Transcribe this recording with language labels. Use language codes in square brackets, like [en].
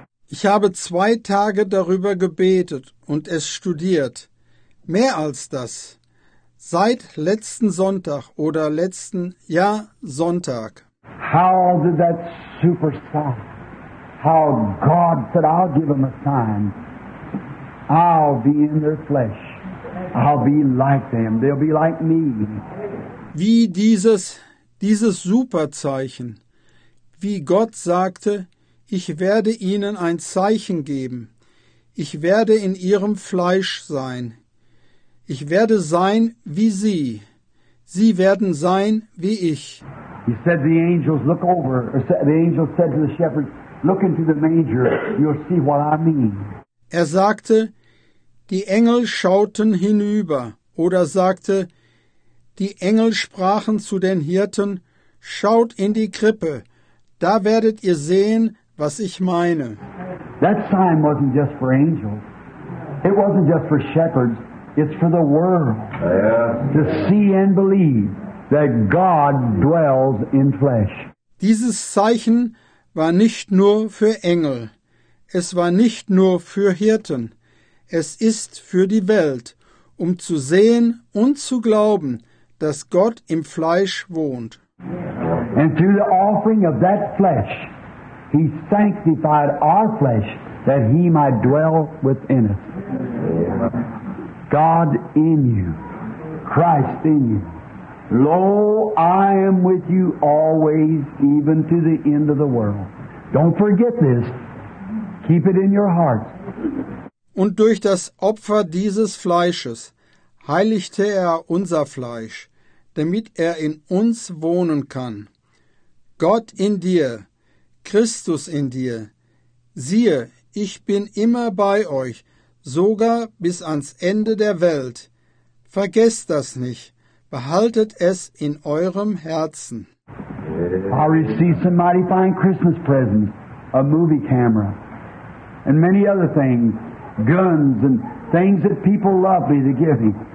[de] Ich habe 2 Tage darüber gebetet und es studiert. Mehr als das. Seit letzten Sonntag oder letzten Sonntag. [en] How did that super stuff how God said, I'll give them a sign. I'll be in their flesh. I'll be like them. They'll be like me. [de] Wie dieses Superzeichen, wie Gott sagte, ich werde ihnen ein Zeichen geben. Ich werde in ihrem Fleisch sein. Ich werde sein wie sie. Sie werden sein wie ich. [en] He said the angels look over. Or the angels said to the shepherds, look into the manger. You'll see what I mean. [de] Er sagte, die Engel schauten hinüber. Oder sagte, die Engel sprachen zu den Hirten, schaut in die Krippe. Da werdet ihr sehen, was ich meine. [en] That sign wasn't just for angels. It wasn't just for shepherds. It's for the world. To see and believe that God dwells in flesh. [de] Dieses Zeichen war nicht nur für Engel. Es war nicht nur für Hirten. Es ist für die Welt, um zu sehen und zu glauben, dass Gott im Fleisch wohnt. [en] And through the offering of that flesh, he sanctified our flesh that he might dwell within us. God in you, Christ in you. Lo, I am with you always, even to the end of the world. Don't forget this. Keep it in your heart. [de] Und durch das Opfer dieses Fleisches heiligte er unser Fleisch, damit er in uns wohnen kann. Gott in dir, Christus in dir, siehe, ich bin immer bei euch, sogar bis ans Ende der Welt. Vergesst das nicht, behaltet es in eurem Herzen. [en] I received some mighty fine Christmas presents, a movie camera, and many other things, guns and things that people love me to give me.